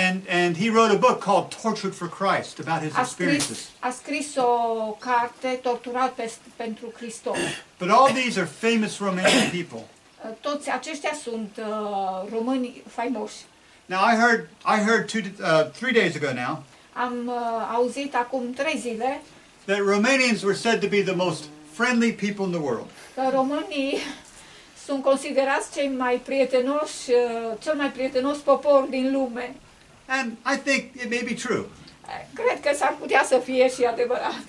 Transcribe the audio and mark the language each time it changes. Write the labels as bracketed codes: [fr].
[en] And he wrote a book called Tortured for Christ about his experiences. [ro] A scris o carte, Torturat pentru Hristos. [en] But all these are famous Romanian people. [ro] Toți aceștia sunt români faimoși. [en] Now I heard three days ago now. [ro] Am auzit acum 3 zile. [en] That Romanians were said to be the most friendly people in the world. [ro] Românii sunt considerați cei mai prietenoși, cel mai prietenos popor din lume. [en] And I think it may be true. [ro] Cred că s-ar putea să fie și adevărat.